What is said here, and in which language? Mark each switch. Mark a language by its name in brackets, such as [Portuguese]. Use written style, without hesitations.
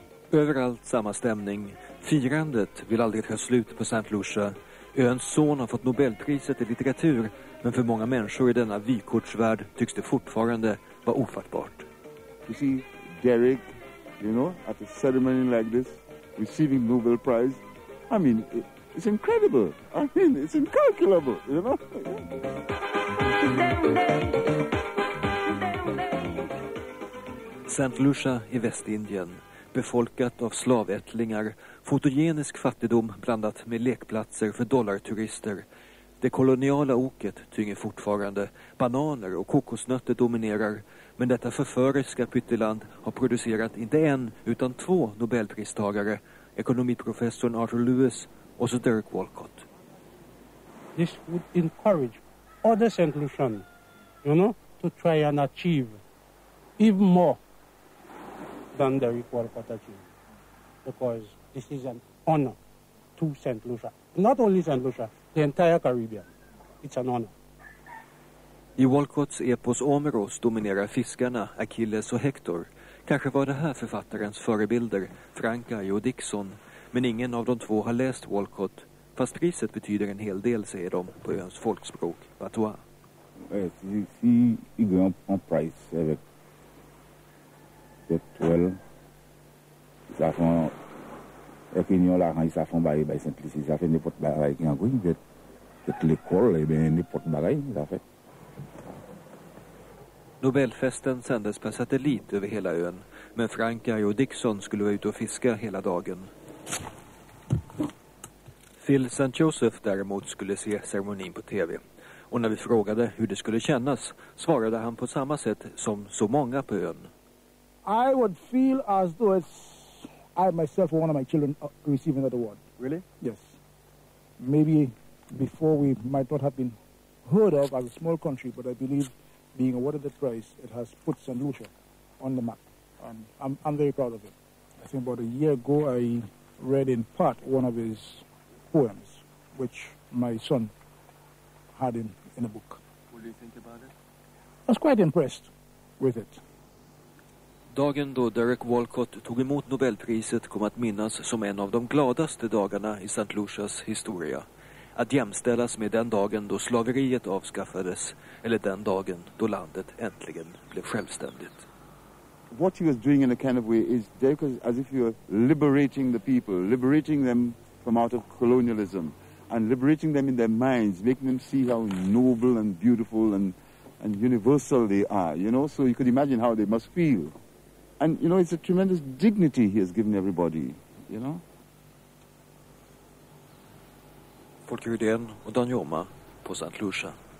[Swedish] Överallt samma stämning. Firandet vill aldrig ta slut på St. Lucia. Öns son har fått Nobelpriset i litteratur, men för många människor i denna vykortsvärld tycks det fortfarande vara ofattbart. Du ser [English] Derek, you know, at a ceremony like this, receiving Nobel Prize. I mean, it's incredible. I mean, it's incalculable, you know. [Swedish] St. Lucia i Västindien, befolkat av slavättlingar, fotogenisk fattigdom blandat med lekplatser för dollarturister. Det koloniala oket tynger fortfarande, bananer och kokosnötter dominerar. Men detta förföriska pytteland har producerat inte en utan två Nobelpristagare, ekonomiprofessorn Arthur Lewis och så Derek Walcott. [English] This would encourage other St. Lucians, you know, to try and achieve even more than Derek Walcott achieved. Because this is an honor to St. Lucia. Not only St. Lucia, the entire Caribbean. It's an honor. [Swedish] I Walcotts epos Omeros dominerar fiskarna Achilles och Hector. Kanske var det här författarens förebilder, Frankaj och Dixon. Men ingen av de två har läst Walcott. Fast priset betyder en hel del, säger de på öns folkspråk, Patois. Du ser en grand prix med 12. [French] Ils font opinion là, ils font bailler [English] by simplicity, [French] ça fait n'importe bagaille qui en gros, peut-être l'école et ben n'importe bagaille, ça fait. [Swedish] Nobelfesten sändes per satellit över hela ön, men Frankaj och Dixon skulle vara ute och fiska hela dagen. Phil St. Joseph däremot skulle se ceremonin på tv. Och när vi frågade hur det skulle kännas svarade han på samma sätt som så många på ön. [English] I would feel as though it's I myself or one of my children receiving that award. Really? Yes. Maybe before we might not have been heard of as a small country, but I believe being awarded the prize, it has put St. Lucia on the map, and I'm very proud of it. I think about a year ago, I read in part one of his poems, which my son had in a book. What do you think about it? I was quite impressed with it. [Swedish] Dagen då Derek Walcott tog emot Nobelpriset kom att minnas som en av de gladaste dagarna i St. Lucias historia. Att jämställas med den dagen då slaveriet avskaffades, eller den dagen då landet äntligen blev självständigt. [English] What he was doing in a kind of way is as if you're liberating the people, liberating them from out of colonialism and liberating them in their minds, making them see how noble and beautiful and universal they are, you know, so you could imagine how they must feel. And you know, it's a tremendous dignity he has given everybody, you know. [Swedish] Folke Rydén och Dan Joma på St. Lucia.